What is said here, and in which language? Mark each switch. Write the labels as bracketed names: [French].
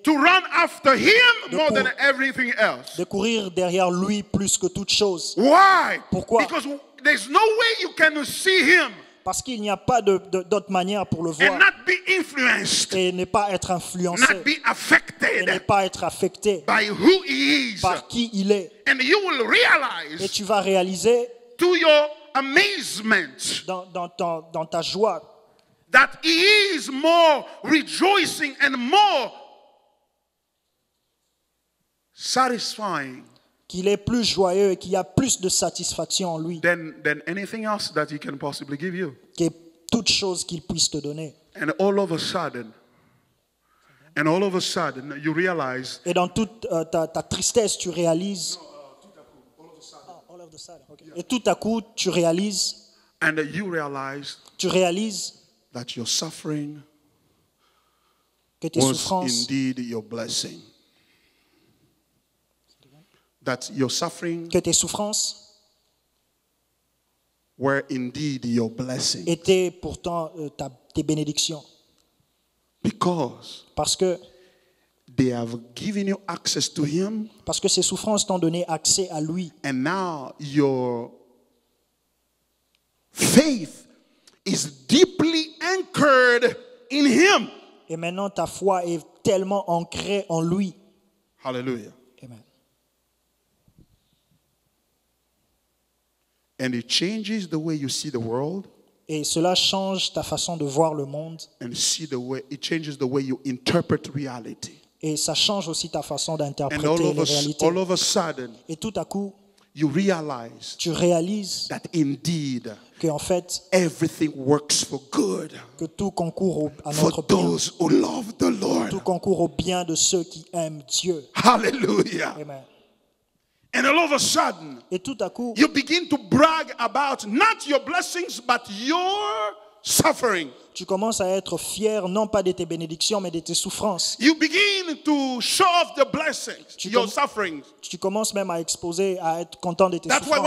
[English] to run after him more than everything else, [French] de courir derrière lui plus que toute chose. [English] Why? [French] Pourquoi? [English] Because there's no way you can see him, [French] parce qu'il n'y a pas d'autre manière pour le voir, [English] and not be influenced, [French] et ne pas être influencé, [English] not be affected, [French] et ne pas être affecté [English] by who he is, [French] par qui il est. [English] And you will realize, [French] et tu vas réaliser, [English] to your amazement, [French] dans ta joie, [English] that he is more rejoicing and more satisfying, [French] qu'il est plus joyeux et qu'il y a plus de satisfaction en lui [English] than anything else that he can possibly give you, [French] que toute chose qu'il puisse te donner. [English] And all of a sudden, and all of a sudden you realize, [French] et dans toute ta tristesse tu réalises, et tout à coup tu réalises, [English] and you realize, [French] tu réalises [English] that your suffering, [French] que tes souffrances, [English] was indeed your blessing, that your suffering, [French] que tes souffrances, [English] were indeed your blessing, [French] étaient pourtant tes bénédictions, [English] because, [French] parce que, [English] they have given you access to him, [French] parce que ces souffrances t'ont donné accès à lui, [English] and now your faith is deeply anchored in him, [French] et maintenant ta foi est tellement ancrée en lui. [English] Hallelujah. And it changes the way you see the world. [French] Et cela change ta façon de voir le monde. [English] And see the way it changes the way you interpret reality. [French] Et ça change aussi ta façon d'interpréter la réalité. [English] All of a sudden, [French] et tout à coup, [English] you realize, [French] tu réalises, [English] that indeed, [French] que en fait, [English] everything works for good, [French] que tout concourt au, à notre bien, [English] for those who love the Lord, [French] tout concourt au bien de ceux qui aiment Dieu. [English] Hallelujah. Amen. And all of a sudden, [French] et tout à coup, [English] you begin to brag about not your blessings but your suffering. [French] Tu commences à être fier non pas de tes bénédictions mais de tes souffrances. [English] You begin to show off the blessings, your sufferings. [French] Tu commences même à exposer à être content de tes souffrances.